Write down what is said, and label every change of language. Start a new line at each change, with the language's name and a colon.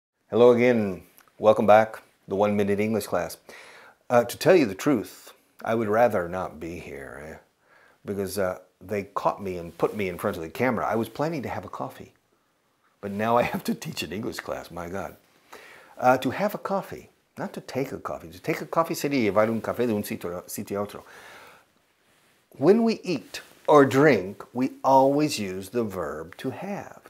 English: Hello again. Welcome back to the 1 Minute English class. To tell you the truth, I would rather not be here because they caught me and put me in front of the camera. I was planning to have a coffee, but now I have to teach an English class. My God. To have a coffee, not to take a coffee. To take a coffee
Spanish: sería llevar un café de un sitio a otro.
English: When we eat or drink, we always use the verb to have.